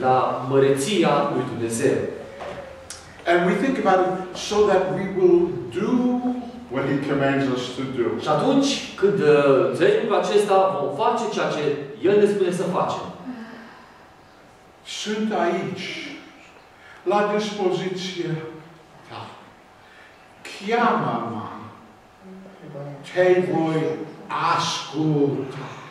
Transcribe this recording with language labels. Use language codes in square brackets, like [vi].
[ro] La măreția lui Dumnezeu. [en] And we think about it so that we will do what He commands us to do. [ro] Și atunci când înțelegem cu acesta, vom face ceea ce El ne spune să facem. Sunt aici, la dispoziție Ta. Chiamă-mă, te voi asculta.